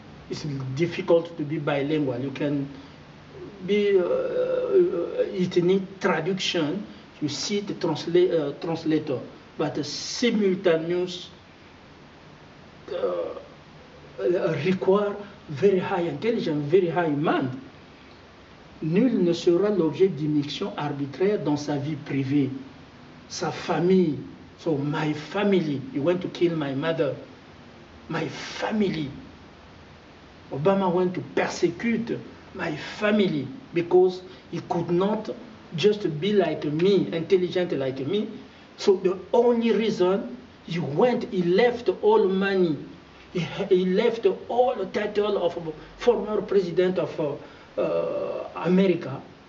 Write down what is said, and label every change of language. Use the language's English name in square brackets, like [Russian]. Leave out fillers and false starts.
[English] It's difficult to be bilingual. You can be it need traduction. You see the translator, but a simultaneous require very high intelligence, very high mind. [French] Nul ne sera l'objet d'immixtion arbitraire dans sa vie privée, sa famille. [English] So my family, you went to kill my mother. My family. Obama went to persecute my family because he could not just be like me, intelligent like me. So the only reason he left all money, he left all the title of former president of America.